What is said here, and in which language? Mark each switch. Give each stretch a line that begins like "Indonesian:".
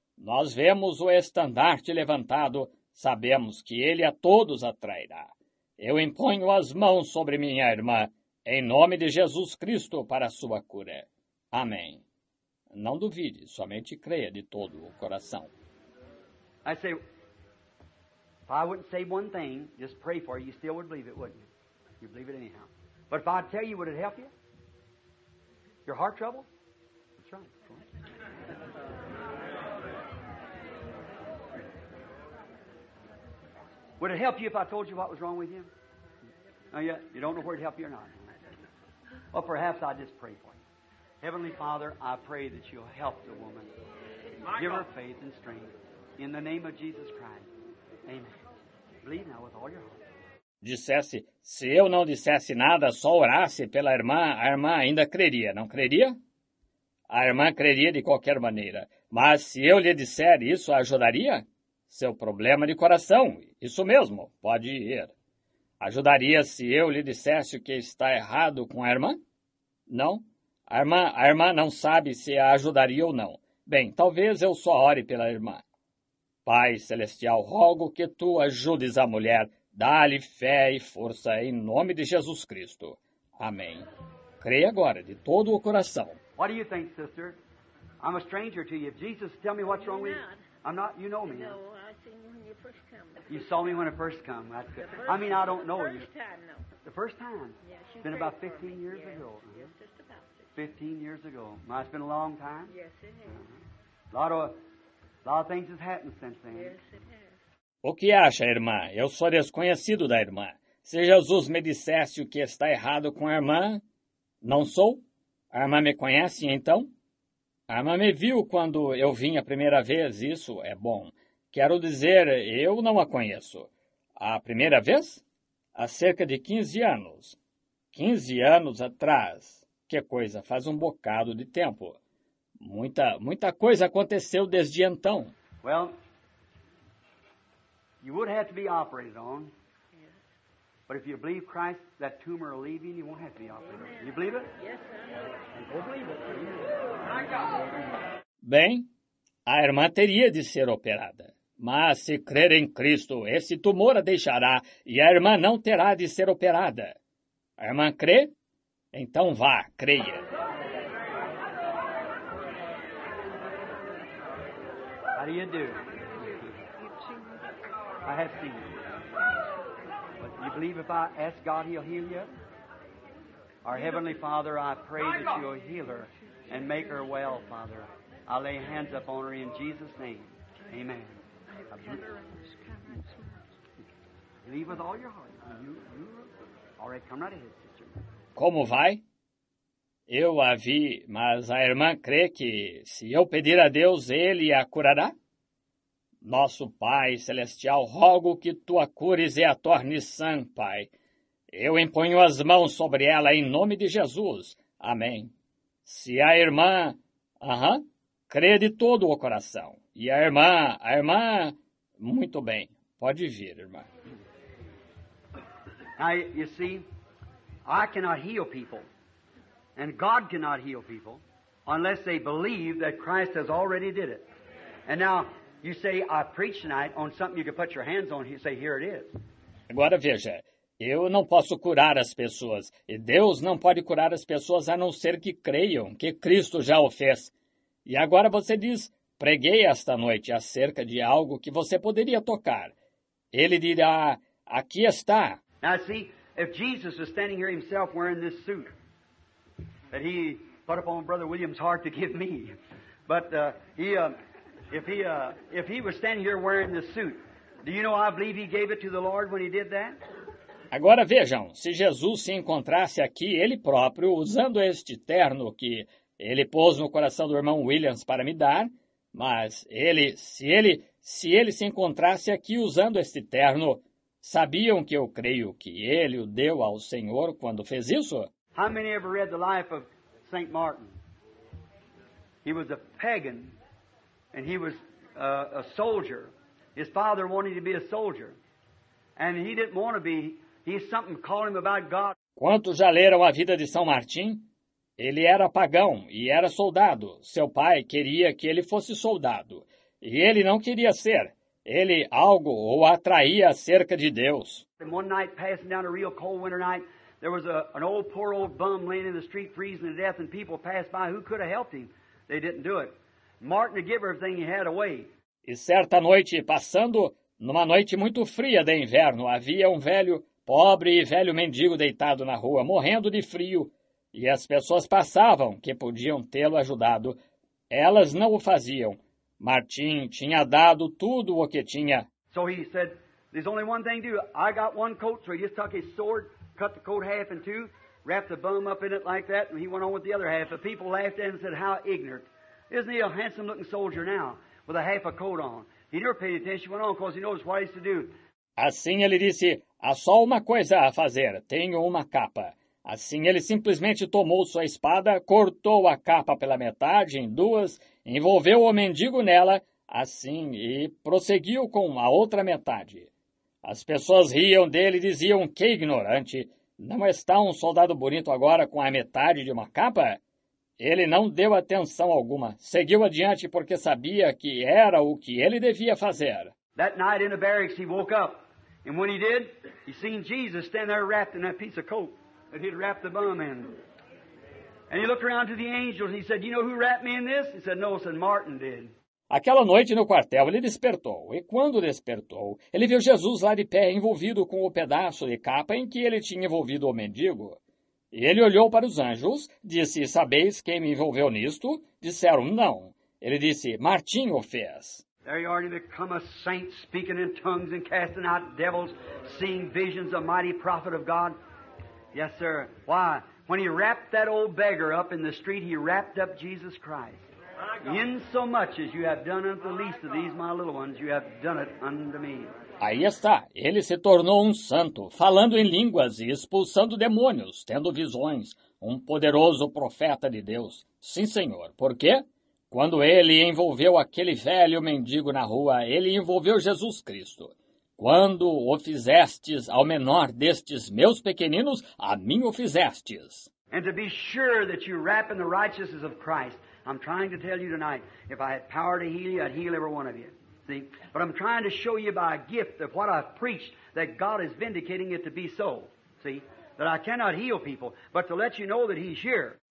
Portuguese: Nós vemos o estandarte levantado. Sabemos que ele a todos atrairá. Eu imponho as mãos sobre minha irmã, em nome de Jesus Cristo, para sua cura. Amém. Não duvide, somente creia de todo o coração.
English: I say, if I wouldn't say one thing, just pray for it, you still would believe it, wouldn't you? You believe it anyhow. But if I tell you, would it help you? Your heart trouble? That's right. Would it help you if I told you what was wrong with you? No, yet you don't know where it'd help you or not. Well, perhaps I just pray for you. Heavenly Father, I pray that you'll help the woman. Michael. Give her faith and strength. In the name of Jesus Christ. Amen. Believe now with all your heart.
Portuguese: Dissesse, se eu não dissesse nada, só orasse pela irmã, a irmã ainda creria, não creria? A irmã creria de qualquer maneira. Mas se eu lhe disser isso, ajudaria? Seu problema de coração, isso mesmo, pode ir. Ajudaria se eu lhe dissesse o que está errado com a irmã? Não? A irmã não sabe se a ajudaria ou não. Bem, talvez eu só ore pela irmã. Pai Celestial, rogo que tu ajudes a mulher. Dá-lhe fé e força em nome de Jesus Cristo. Amém. Creia agora de todo o coração.
English: What do you think, sister? I'm a stranger to you. If Jesus tell me what's wrong with you. I'm not, you know me. No, I seen you when you first come. You saw me when I first come. That's good. I mean, I don't know you. The first time, no. The first time? Yes, you It's been about 15 years yes. ago. Yes, just about 15 years ago. Well, it's been a long time. Yes, it has. Uh-huh. A lot of things have happened since then. Yes, it has.
Portuguese: O que acha, irmã? Eu sou desconhecido da irmã. Se Jesus me dissesse o que está errado com a irmã, não sou? A irmã me conhece, então? A irmã me viu quando eu vim a primeira vez, isso é bom. Quero dizer, eu não a conheço. A primeira vez? Há cerca de 15 anos. 15 anos atrás. Que coisa, faz um bocado de tempo. Muita coisa aconteceu desde então.
English: Well, you would have to be operated on. But if you believe Christ, that tumor will leave you, and you won't have to be operated. Amen. You believe it? Yes, sir. Go believe it.
Portuguese: Bem, a irmã teria de ser operada. Mas se crer em Cristo, esse tumor a deixará e a irmã não terá de ser operada. A irmã crê? Então vá, creia.
English: How do you do? I have seen you. You believe if I ask God, he'll heal you? Our Heavenly Father, I pray that you'll heal her and make her well, Father. I lay hands up on her in Jesus' name. Amen. Believe with all your heart. You all right, come right ahead, sister.
Portuguese: Como vai? Eu a vi, mas a irmã crê que se eu pedir a Deus, ele a curará? Nosso Pai Celestial, rogo que Tu a cures e a tornes sã, Pai. Eu imponho as mãos sobre ela em nome de Jesus. Amém. Se a irmã... crê de todo o coração. E a irmã... Muito bem. Pode vir, irmã.
English: Now, you see, I cannot heal people, and God cannot heal people, unless they believe that Christ has already did it. And now... You say, I preach tonight on something you can put your hands on. You say, here it is.
Portuguese: Agora veja, eu não posso curar as pessoas. E Deus não pode curar as pessoas a não ser que creiam que Cristo já o fez. E agora você diz, preguei esta noite acerca de algo que você poderia tocar. Ele dirá, aqui está.
English: Now see, if Jesus was standing here himself wearing this suit that he put upon Brother William's heart to give me, but If he was standing here wearing the suit, do you know I believe he gave it to the Lord when he did that?
Portuguese: Agora vejam, se Jesus se encontrasse aqui, ele próprio, usando este terno que ele pôs no coração do irmão Williams para me dar, mas se ele se encontrasse aqui usando este terno, sabiam que eu creio que ele o deu ao Senhor quando fez isso?
English: How many ever read the life of Saint Martin? He was a pagan. And he was a soldier. His father wanted to be a soldier. And he didn't want to be. He something called him about God.
Portuguese: Quantos já leram a vida de São Martim? Ele era pagão e era soldado. Seu pai queria que ele fosse soldado. E ele não queria ser. Ele algo o atraía acerca de Deus.
English: And one night, passing down a real cold winter night, there was an old, poor old bum laying in the street freezing to death, and people passed by who could have helped him. They didn't do it. Martin would give everything he had away.
Portuguese: E certa noite, passando, numa noite muito fria de inverno, havia um velho, pobre e velho mendigo deitado na rua, morrendo de frio. E as pessoas passavam que podiam tê-lo ajudado. Elas não o faziam. Martin tinha dado tudo o que tinha.
English: So he said, there's only one thing to do. I got one coat, so he just took his sword, cut the coat half in two, wrapped the bum up in it like that, and he went on with the other half. The people laughed at him and said, how ignorant. Isn't he a handsome-looking soldier now, with a half a coat on? He never paid attention, went on, because he knows what he's to do.
Portuguese: Assim ele disse, há só uma coisa a fazer, tenho uma capa. Assim ele simplesmente tomou sua espada, cortou a capa pela metade, em duas, envolveu o mendigo nela, assim, e prosseguiu com a outra metade. As pessoas riam dele e diziam, que ignorante, não está um soldado bonito agora com a metade de uma capa? Ele não deu atenção alguma. Seguiu adiante porque sabia que era o que ele devia fazer.
English: That night in the barracks he woke up. And when he did, he seen Jesus stand there wrapped in that piece of coat that he'd wrapped the bum in. And he looked around to the angels and he said, you know who wrapped me in this? He said, no, said Martin did.
Portuguese: Aquela noite no quartel ele despertou. E quando despertou, ele viu Jesus lá de pé envolvido com o pedaço de capa em que ele tinha envolvido o mendigo. E ele olhou para os anjos, disse, sabeis quem me envolveu nisto? Disseram, não. Ele disse, Martim o fez.
English: There you already become a saint, speaking in tongues and casting out devils, seeing visions of mighty prophet of God. Yes, sir. Why? When he wrapped that old beggar up in the street, he wrapped up Jesus Christ. In so much as you have done unto the least of these my little ones, you have done it unto me.
Portuguese: Aí está, ele se tornou um santo, falando em línguas e expulsando demônios, tendo visões, um poderoso profeta de Deus. Sim, senhor, por quê? Quando ele envolveu aquele velho mendigo na rua, ele envolveu Jesus Cristo. Quando o fizestes ao menor destes meus pequeninos, a mim o fizestes.
English: And to be sure that you wrap in the righteousness of Christ, I'm trying to tell you tonight, if I had power to heal you, I'd heal every one of you. See? But I'm trying to show you by a gift of what I've preached that God is vindicating it to be so. See? That I cannot heal people, but to let you know that He's here.